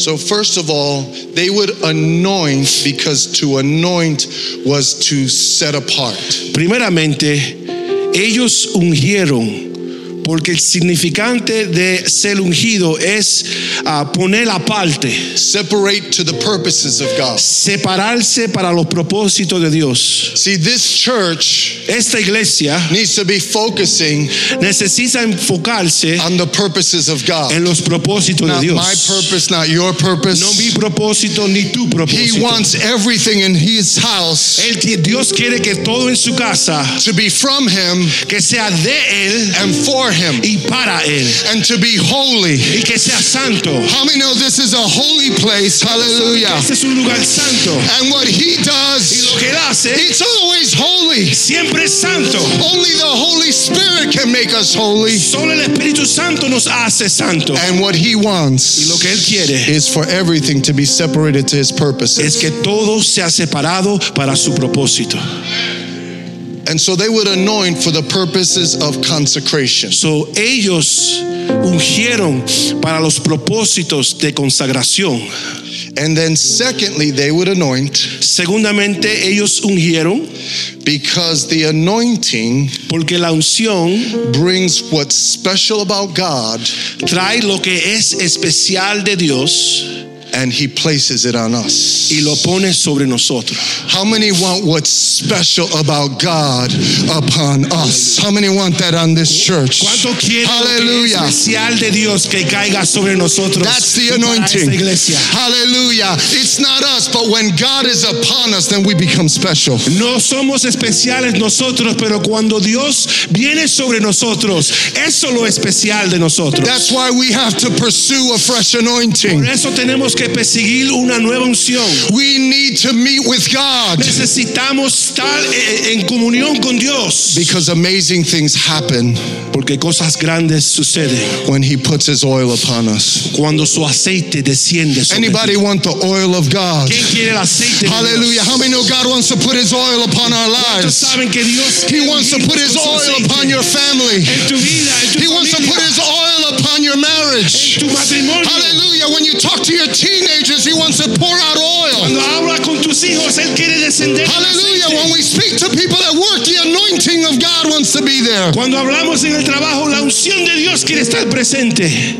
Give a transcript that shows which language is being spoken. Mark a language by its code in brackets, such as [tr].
[en] So first of all, they would anoint because to anoint was to set apart. [es] Primeramente, ellos ungieron porque el significante de ser ungido es poner aparte. [en] Separate to the purposes of God. [es] Separarse para los propósitos de Dios. [en] See, this church, [es] esta iglesia, [en] needs to be focusing, [es] necesita enfocarse, [en] on the purposes of God. [es] En los propósitos [en] not [es] de Dios. [en] Not my purpose, not your purpose. [es] No mi propósito ni tu propósito. [en] He wants everything in his house. [es] El Dios quiere que todo en su casa, [en] to be from him, [es] que sea de él, [en] and for him, [es] y para él, [en] and to be holy. [es] Y que sea santo. [en] How many know this is a holy place? Hallelujah. [es] Este es un lugar santo. [en] And what he does, [es] y lo que él hace, [en] it's always holy. [es] Siempre es santo. [en] Only the Holy Spirit can make us holy. [es] Solo el Espíritu Santo nos hace santo. [en] And what he wants, [es] y lo que él quiere, [en] is for everything to be separated to his purposes. [es] Es que todo sea separado para su propósito. [en] And so they would anoint for the purposes of consecration. [es] So ellos ungieron para los propósitos de consagración. [en] And then secondly, they would anoint. [es] Segundamente, ellos ungieron. [en] Because the anointing, [es] porque la unción, [en] brings what's special about God. [es] Trae lo que es especial de Dios. [en] And he places it on us. [es] Y lo pone sobre nosotros. [en] How many want what's special about God upon us? How many want that on this church? [es] ¿Cuánto quiere [en] Hallelujah. [es] Especial de Dios que caiga sobre nosotros? [en] That's the anointing. [es] Para esta iglesia. [en] Hallelujah. It's not us, but when God is upon us, then we become special. [es] No somos especiales nosotros, pero cuando Dios viene sobre nosotros, eso es lo especial de nosotros. [en] That's why we have to pursue a fresh anointing. [es] Por eso tenemos que perseguir una nueva unción. [en] We need to meet with God. [es] Necesitamos estar en comunión con Dios. [en] Because amazing things happen. [es] Porque cosas grandes suceden. [en] When he puts his oil upon us. [es] Cuando su aceite desciende sobre. [en] Anybody want the oil of God? [es] ¿Quién quiere el aceite? [en] Hallelujah. How many know God wants to put his oil upon our lives? [es] ¿Cuántos saben que Dios [en] he wants to put his oil [es] aceite [en] upon your family? [es] En tu vida, en tu [en] he Wants to put his oil upon your marriage. [es] En tu matrimonio. [en] Hallelujah. When you talk to your teenagers, he wants to pour out oil. Hallelujah. When we speak to people at work, the anointing of God wants to be there. [es] Cuando hablamos en el trabajo, la unción de Dios quiere estar presente.